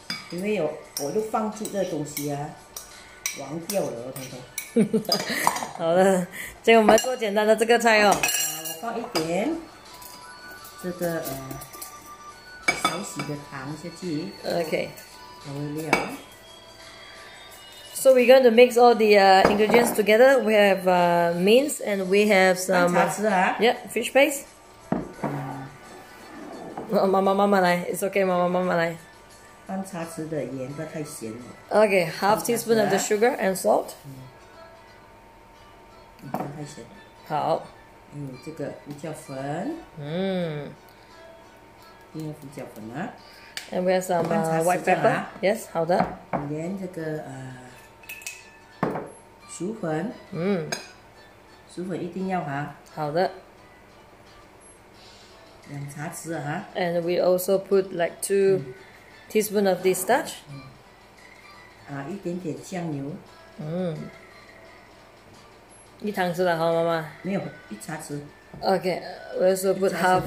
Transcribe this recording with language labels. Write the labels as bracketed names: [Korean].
[Chinese] 因为我就放弃这东西啊，忘掉了，我统统。好的，这个我们做简单的这个菜哦。我放一点这个少许的糖下去。 OK。调味料。 [English] So we're going to mix all the ingredients together. We have mince and we have some fish paste. It's okay, mama. [Chinese] 半茶匙的盐，不要太咸了。 [English] Okay, half teaspoon of the sugar and salt. [Chinese] 不要太咸。好。这个胡椒粉。一点胡椒粉啊。 [English] And we have some white pepper. Yes, [Chinese] 好的。盐这个薯粉，薯粉一定要哈。好的，两茶匙啊。 [English] And we also put like two teaspoon of this starch。 [Chinese] 一点点酱油。一汤匙了哈，妈妈。没有，一茶匙。 [English] Okay, we also put half。